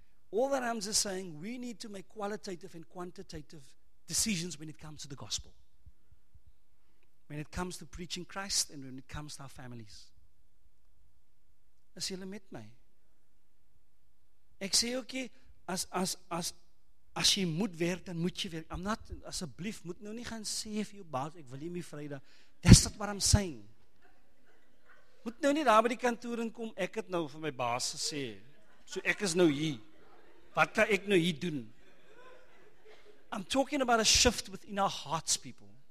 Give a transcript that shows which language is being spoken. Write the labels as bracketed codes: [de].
[en] All that I'm just saying, we need to make qualitative and quantitative decisions when it comes to the gospel. When it comes to preaching Christ and when it comes to our families. [af] As julle met my. Ek sê ook, as jy moet werk, dan moet jy werk. Asseblief, moet nou nie gaan sê vir jou baas, ek wil nie my Vrydag. [en] That's not what I'm saying. [af] Moet nou nie daar by die kantoor in kom, ek het nou vir my baas gesê. So ek is nou hier. Wat kan ek nou hier doen? [en] I'm talking about a shift within our hearts, people.